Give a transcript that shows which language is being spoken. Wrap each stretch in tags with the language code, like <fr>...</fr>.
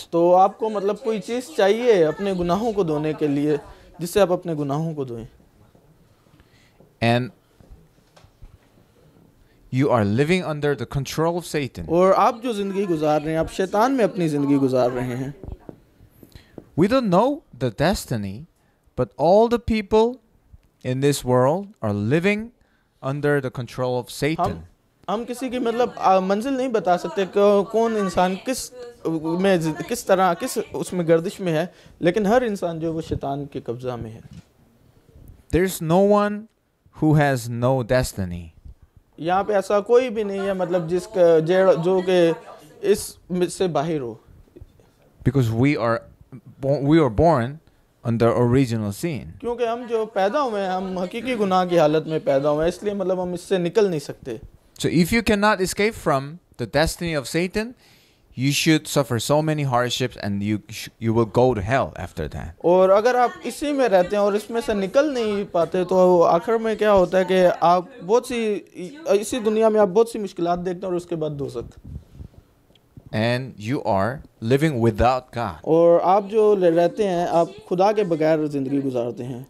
<hi>तो आपको मतलब कोई चीज चाहिए अपने गुनाहों को धोने के लिए, जिससे आप अपने गुनाहों को धोएं.</hi> <en>And you are living under the control of Satan.</en> <hi>और आप जो जिंदगी गुजार रहे हैं, आप शैतान में अपनी जिंदगी गुजार रहे हैं.</hi> <en>We don't know the destiny, but all the people in this world are living under the control of Satan.</en> <hi>हम किसी की मतलब मंजिल नहीं बता सकते कि कौन इंसान किस में किस तरह किस उसमें गर्दिश में है, लेकिन हर इंसान जो है वो शैतान के कब्जा में है.</hi> <en>There's no one who has no destiny.</en> <hi>यहाँ पे ऐसा कोई भी नहीं है मतलब जिसका जेड़ जो के इस से बाहर हो.</hi> <en>Because we are born under original sin.</en> <hi>क्योंकि हम जो पैदा हुए हैं, हम हकीकी गुनाह की हालत में पैदा हुए हैं, इसलिए मतलब हम इससे निकल नहीं सकते.</hi> <en>So if you cannot escape from the destiny of Satan, you should suffer so many hardships and you will go to hell after that.</en> <hi>और अगर आप इसी में रहते हैं और इसमें से निकल नहीं पाते तो आखिर में क्या होता है कि आप बहुत सी इसी दुनिया में आप बहुत सी मुश्किलात देखते हैं और उसके बाद दोजख.</hi> <en>And you are living without God.</en> <hi>और आप जो रहते हैं आप खुदा के बगैर जिंदगी गुजारते हैं.</hi>